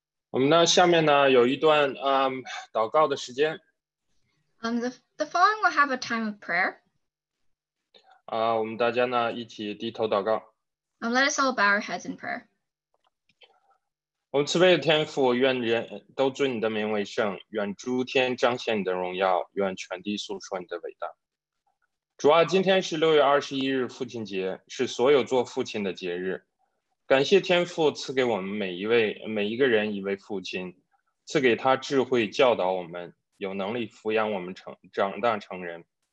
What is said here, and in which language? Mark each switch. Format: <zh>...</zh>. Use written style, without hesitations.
<zh>我们呢，下面呢有一段祷告的时间。</zh> <en>The following will have a time of prayer.</en> <zh>我们大家呢一起低头祷告。</zh> <en>Let us all bow our heads in prayer.</en> <zh>我们慈悲的天父，愿人都尊你的名为圣，愿诸天彰显你的荣耀，愿全地诉说你的伟大。主啊，今天是6月21日，父亲节，是所有做父亲的节日。感谢天父赐给我们每一个人一位父亲，赐给他智慧教导我们，有能力抚养我们长大成人。</zh>